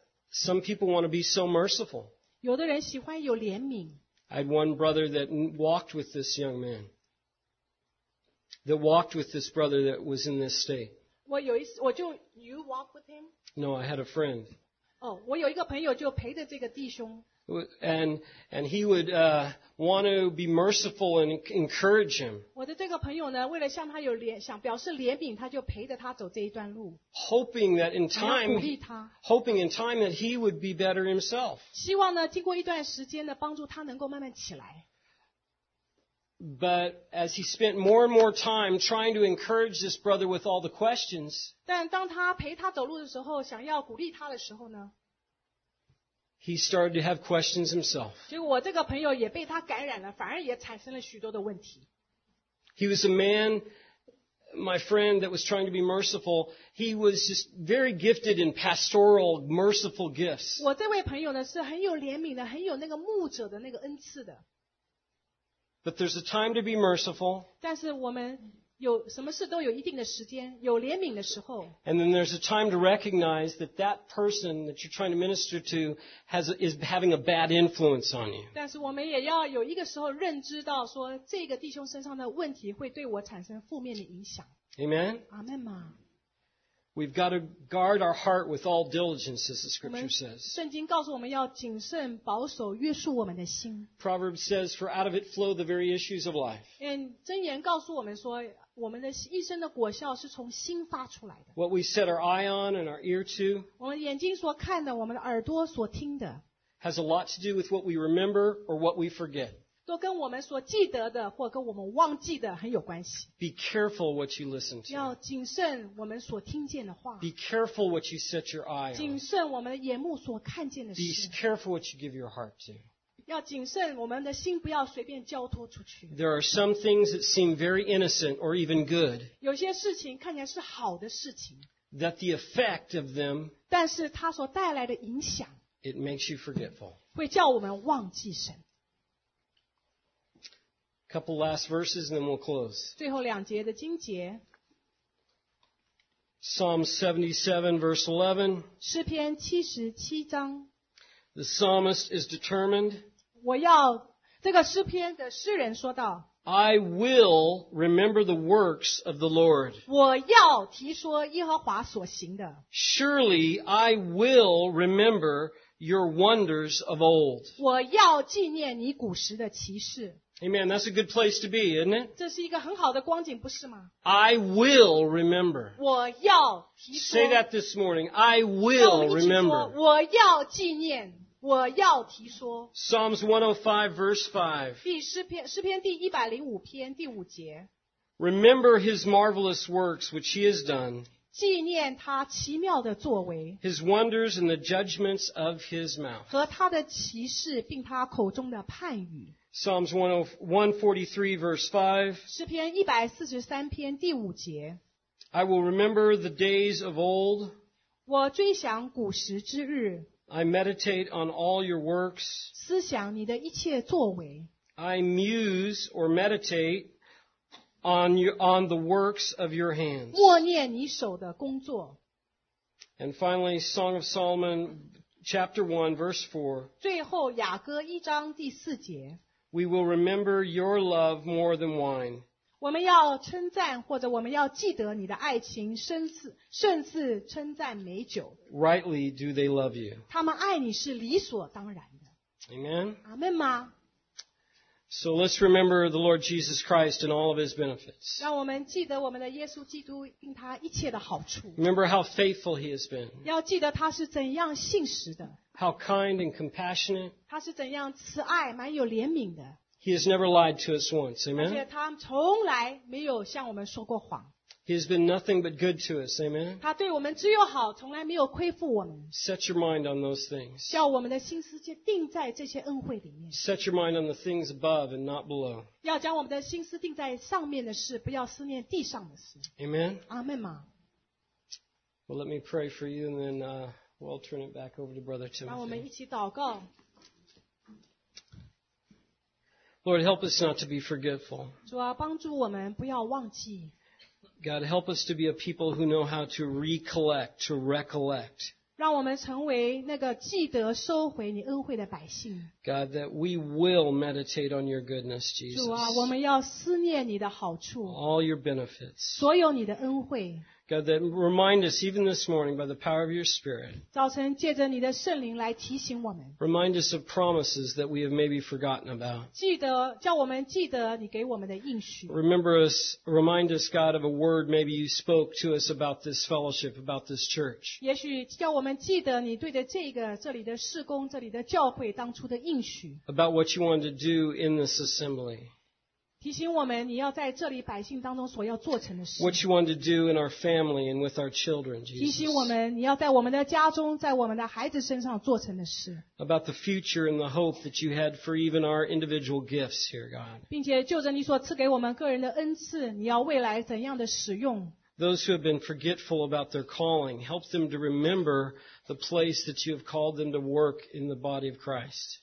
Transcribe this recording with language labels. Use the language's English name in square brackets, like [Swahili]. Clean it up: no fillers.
[English] Some people want to be so merciful. [Chinese] 有的人喜欢有怜悯。 [English] I had one brother that walked with this young man. That walked with this brother that was in this state. [Chinese] 我有一我就 [English] you walk with him? No, I had a friend. [Chinese] 哦，我有一个朋友就陪着这个弟兄。 [English] And he would want to be merciful and encourage him. [Chinese] 我的这个朋友呢，为了向他有怜，想表示怜悯，他就陪着他走这一段路。 [English] Hoping in time that he would be better himself. [Chinese] 希望呢，经过一段时间呢，帮助他能够慢慢起来。 [English] But as he spent more and more time trying to encourage this brother with all the questions, [Chinese] 但当他陪他走路的时候，想要鼓励他的时候呢？ [English] He started to have questions himself. [Chinese] 结果我这个朋友也被他感染了，反而也产生了许多的问题。 [English] He was a man, my friend, that was trying to be merciful. He was just very gifted in pastoral, merciful gifts. [Chinese] 我这位朋友呢，是很有怜悯的，很有那个牧者的那个恩赐的。 [English] But there's a time to be merciful. [Chinese] 但是我们有什么事都有一定的时间，有怜悯的时候。 [English] And then there's a time to recognize that that person that you're trying to minister to is having a bad influence on you. [Chinese] 但是我们也要有一个时候认知到说，这个弟兄身上的问题会对我产生负面的影响。 [English] Amen. Amen. We've got to guard our heart with all diligence, as the scripture says. [Chinese] 圣经告诉我们要谨慎保守约束我们的心。 [English] Proverbs says, "For out of it flow the very issues of life." [Chinese] And 箴言告诉我们说。我们的一生的果效是从心发出来的。 [English] What we set our eye on and our ear to, [Chinese] 我们眼睛所看的，我们的耳朵所听的， [English] has a lot to do with what we remember or what we forget. [Chinese] 都跟我们所记得的或跟我们忘记的很有关系。 [English] Be careful what you listen to. [Chinese] 要谨慎我们所听见的话。 [English] Be careful what you set your eye on. [Chinese] 谨慎我们的眼目所看见的事。 [English] Be careful what you give your heart to. [Chinese] 要谨慎，我们的心不要随便交托出去。 [English] There are some things that seem very innocent or even good. [Chinese] 有些事情看起来是好的事情。 [English] That the effect of them. [Chinese] 但是它所带来的影响。 [English] It makes you forgetful. [Chinese] 会叫我们忘记神。 [English] Couple last verses and then we'll close. [Chinese] 最后两节的经节。 [English] Psalm 77 verse 11. [Chinese] 诗篇七十七章。 [English] The psalmist is determined. [Chinese] 我要这个诗篇的诗人说道。 [English] I will remember the works of the Lord. [Chinese] 我要提说耶和华所行的。 [English] Surely I will remember your wonders of old. [Chinese] 我要纪念你古时的奇事。 [English] Amen. That's a good place to be, isn't it? [Chinese] 这是一个很好的光景，不是吗？ [English] I will remember. [Chinese] 我要提说。 [English] Say that this morning. I will remember. [Chinese] 我要纪念，我要提说。 [English] Psalms 105 verse 5. [Chinese] 诗篇第105篇第五节。 [English] Remember his marvelous works which he has done. [Chinese] 纪念他奇妙的作为。 [English] His wonders and the judgments of his mouth. [Chinese] 和他的奇事并他口中的判语。 [English] Psalms 143 verse 5. [Chinese] 诗篇143篇第五节。 [English] I will remember the days of old. [Chinese] 我追想古时之日。 [English] I meditate on all your works. [Chinese] 思想你的一切作为。 [English] I muse or meditate on the works of your hands. [Chinese] 默念你手的工作。 [English] And finally, Song of Solomon chapter 1 verse 4. [Chinese] 最后雅歌一章第四节。 [English] We will remember your love more than wine. [Chinese] 我们要称赞或者我们要记得你的爱情甚至称赞美酒。 [English] Rightly do they love you. [Chinese] 他们爱你是理所当然的。 [English] Amen. [Chinese] Amen 吗? [English] So let's remember the Lord Jesus Christ and all of his benefits. [Chinese] 让我们记得我们的耶稣基督并他一切的好处。 [English] Remember how faithful he has been. [Chinese] 要记得他是怎样信实的。 [English] How kind and compassionate. [Chinese] 他是怎样慈爱蛮有怜悯的。 [English] He has never lied to us once, amen? [Chinese] 而且他从来没有向我们说过谎。 [English] He has been nothing but good to us, amen? [Chinese] 他对我们只有好从来没有亏负我们。 [English] Set your mind on those things. [Chinese] 叫我们的心思就定在这些恩惠里面。 [English] Set your mind on the things above and not below. [Chinese] 要将我们的心思定在上面的事不要思念地上的事。 [English] Amen? [Chinese] Amen 吗? [English] Well, let me pray for you and then... We'll turn it back over to Brother Timothy. [Chinese] 让我们一起祷告。 [English] Lord, help us not to be forgetful. [Chinese] 主啊，帮助我们不要忘记。 [English] God, help us to be a people who know how to recollect, to recollect. [Chinese] 让我们成为那个记得收回你恩惠的百姓。 [English] God, that we will meditate on your goodness, Jesus. [Chinese] 主啊，我们要思念你的好处。 [English] All your benefits. [Chinese] 所有你的恩惠。 [English] God, that remind us even this morning by the power of your Spirit. [Chinese] 早晨借着你的圣灵来提醒我们。 [English] Remind us of promises that we have maybe forgotten about. [Chinese] 记得叫我们记得你给我们的应许。 [English] Remind us, God, of a word maybe you spoke to us about this fellowship, about this church. [Chinese] 也许叫我们记得你对着这里的事工、这里的教会当初的应许。 [English] About what you wanted to do in this assembly. [Chinese] 提醒我们，你要在这里百姓当中所要做成的事。 [English] What you want to do in our family and with our children, Jesus. [Chinese] 提醒我们，你要在我们的家中，在我们的孩子身上做成的事。 [English] About the future and the hope that you had for even our individual gifts here, God. [Chinese] 并且就着你所赐给我们个人的恩赐，你要未来怎样的使用。 [English] Those who have been forgetful about their calling, help them to remember the place that you have called them to work in the body of Christ.